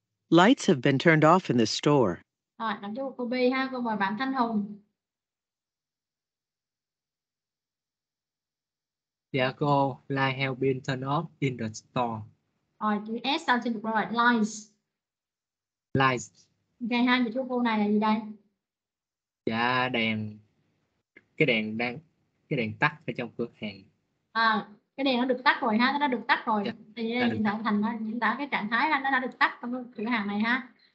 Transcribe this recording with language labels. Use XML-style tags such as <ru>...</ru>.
<en>Lights have been turned off in the store.</en> <vi>Rồi, đọc cho cô B ha, cô mời bạn Thanh Hùng. Dạ cô,</vi> <en>light have been turned off in the store.</en> <vi>Rồi, chữ S sao xin được rồi, lights.</vi> <en>Lights.</en> <vi>Ok ha, đọc cho cô này là gì đây? Dạ, đèn, cái đèn tắt ở trong cửa hàng. Cái đèn nó được tắt rồi ha, nó đã được tắt rồi. Dạ, thì đã được. Thành nó diễn tả cái trạng thái ha, nó đã được tắt trong cửa hàng này ha.</vi>